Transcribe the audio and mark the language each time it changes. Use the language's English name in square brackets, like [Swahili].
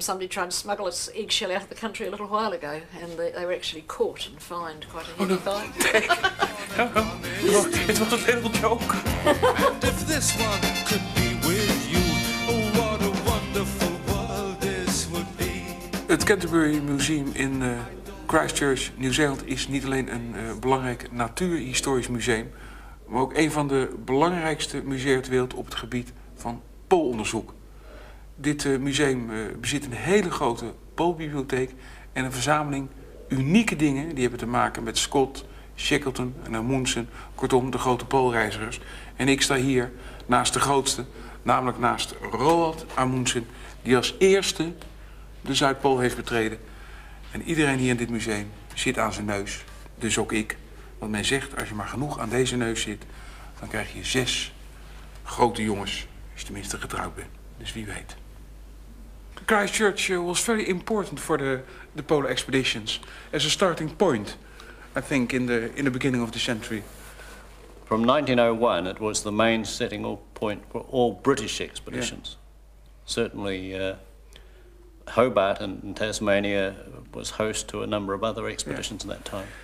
[English] Somebody tried to smuggle its eggshell out of the country a little while ago, and they were actually caught and fined quite a heavy fine. It was a little joke. And if this one could be with you, oh, what a wonderful world this would be. [Dutch] Het Canterbury Museum in Christchurch, New Zealand, is niet alleen een belangrijk natuurhistorisch museum, maar ook een van de belangrijkste musea ter wereld op het gebied van poolonderzoek. Dit museum bezit een hele grote poolbibliotheek en een verzameling unieke dingen die hebben te maken met Scott, Shackleton en Amundsen, kortom de grote poolreizigers. En ik sta hier naast de grootste, namelijk naast Roald Amundsen, die als eerste de Zuidpool heeft betreden. En iedereen hier in dit museum zit aan zijn neus. Dus ook ik. Want men zegt, als je maar genoeg aan deze neus zit, dan krijg je 6 grote jongens, als je tenminste getrouwd bent. Dus wie weet. [English] Christchurch was very important for the polar expeditions as a starting point, I think, in the beginning of the century. From 1901, it was the main setting or point for all British expeditions. Yeah. Certainly, Hobart and Tasmania was host to a number of other expeditions at that time.